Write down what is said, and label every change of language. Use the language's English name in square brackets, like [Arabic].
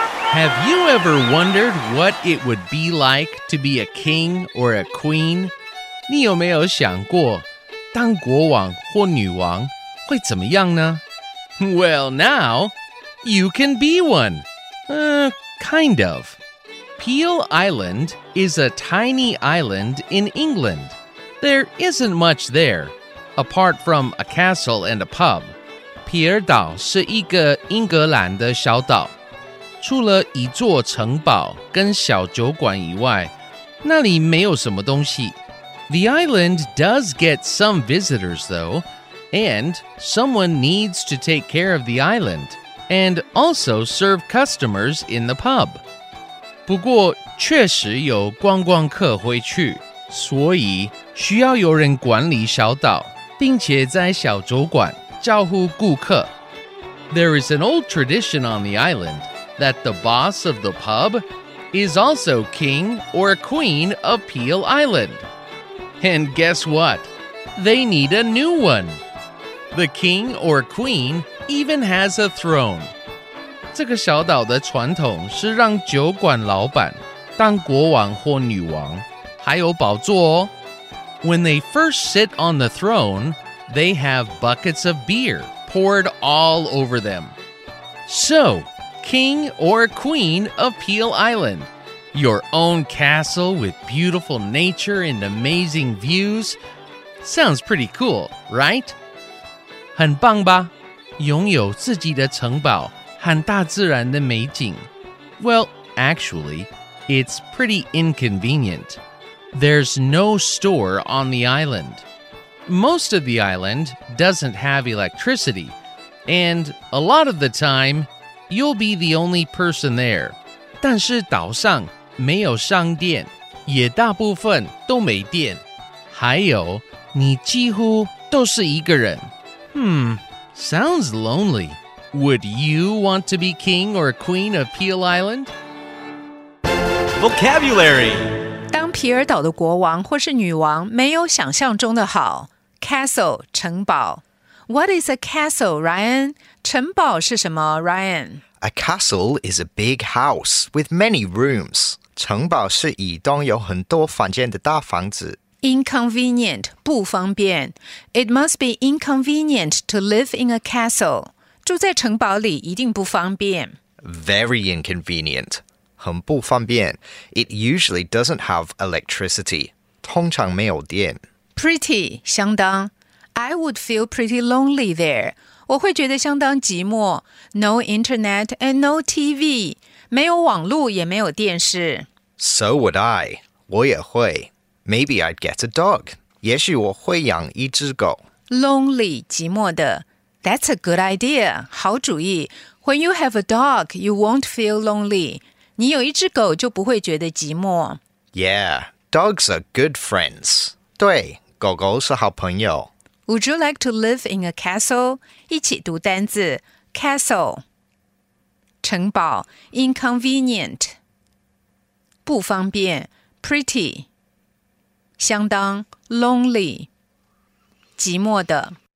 [English] Have you ever wondered what it would be like to be a king or a queen? [Chinese] 你有没有想过当国王或女王会怎么样呢? [English] Well, now, you can be one. Kind of. Peel Island is a tiny island in England. There isn't much there, apart from a castle and a pub. [Chinese] 皮尔岛是一个英格兰的小岛。除了一座城堡跟小酒馆以外，那里没有什么东西。 [English] The island does get some visitors, though, and someone needs to take care of the island, and also serve customers in the pub. [Chinese] 不过确实有观光客会去，所以需要有人管理小岛，并且在小酒馆招呼顾客。 [English] There is an old tradition on the island that the boss of the pub is also king or queen of Peel Island. And guess what? They need a new one. The king or queen even has a throne. [Chinese] 这个小岛的传统是让酒馆老板当国王或女王，还有宝座哦。 [English] When they first sit on the throne, they have buckets of beer poured all over them. So, king or queen of Peel Island. Your own castle with beautiful nature and amazing views? Sounds pretty cool, right? [Chinese] 很棒吧？拥有自己的城堡和大自然的美景。 [English] Well, actually, it's pretty inconvenient. There's no store on the island. Most of the island doesn't have electricity, and a lot of the time, you'll be the only person there. [Chinese] 但是岛上没有商店，也大部分都没电。还有，你几乎都是一个人。 [English] Sounds lonely. Would you want to be king or queen of Peel Island? Vocabulary. [Chinese] 当皮尔岛的国王或是女王没有想象中的好。 [English] Castle, 城堡。What is a castle, Ryan? [Chinese] 城堡是什么, Ryan? [English] A castle is a big house with many rooms. [Chinese] 城堡是一栋有很多房间的大房子。 [English] Inconvenient, 不方便。It must be inconvenient to live in a castle. [Chinese] 住在城堡里一定不方便。 [English] Very inconvenient, [Chinese] 很不方便。 [English] It usually doesn't have electricity. [Chinese] 通常没有电。 [English] Pretty, 相当。I would feel pretty lonely there. [Chinese] 我会觉得相当寂寞。 [English] No internet and no TV. [Chinese] 没有网路也没有电视。 [English] So would I. [Chinese] 我也会。 [English] Maybe I'd get a dog. [Chinese] 也许我会养一只狗。 [English] Lonely, 寂寞的。That's a good idea. [Chinese] 好主意。 [English] When you have a dog, you won't feel lonely. [Chinese] 你有一只狗就不会觉得寂寞。 [English] Yeah, dogs are good friends. [Chinese] 对,狗狗是好朋友。 [English] Would you like to live in a castle? [Chinese] 一起读单字。Castle. 城堡 inconvenient 不方便 pretty 相当 lonely 寂寞的